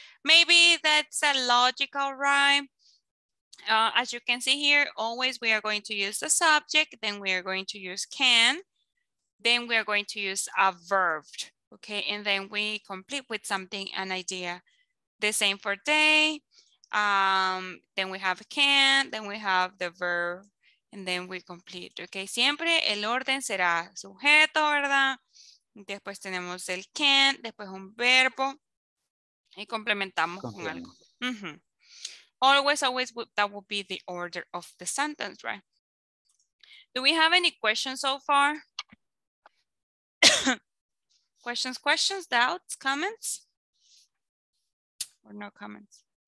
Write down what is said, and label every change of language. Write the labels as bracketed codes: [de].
[en] maybe that's a logical rhyme. As you can see here, always we are going to use the subject, then we are going to use can, then we are going to use a verb, okay? And then we complete with something, an idea. The same for day, then we have can, then we have the verb, and then we complete, okay? [es] Siempre el orden será sujeto, ¿verdad? Después tenemos el can, después un verbo, y complementamos con algo. Mm-hmm. [en] Always, that would be the order of the sentence, right? Do we have any questions so far? questions, doubts, comments? Or no comments?